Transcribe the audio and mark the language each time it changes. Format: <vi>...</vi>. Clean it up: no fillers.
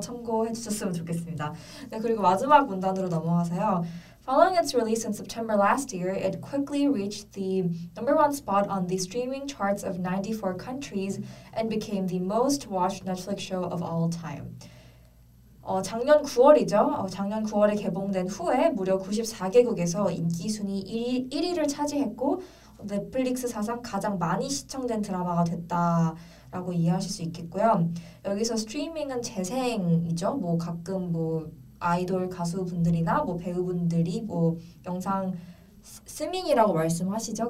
<ko>참고해 주셨으면 좋겠습니다. 네, 그리고 마지막 문단으로 넘어가세요.</ko> <en>Following its release in September last year, it quickly reached the number one spot on the streaming charts of 94 countries and became the most watched Netflix show of all time.</en> <ko>작년 9월이죠. 작년 9월에 개봉된 후에 무려 94개국에서 인기 순위 1위를 차지했고 넷플릭스 사상 가장 많이 시청된 드라마가 됐다라고 이해하실 수 있겠고요. 여기서 스트리밍은 재생이죠. 뭐 가끔 뭐 아이돌 가수분들이나 뭐 배우분들이 뭐 영상 스밍이라고 말씀하시죠.</ko>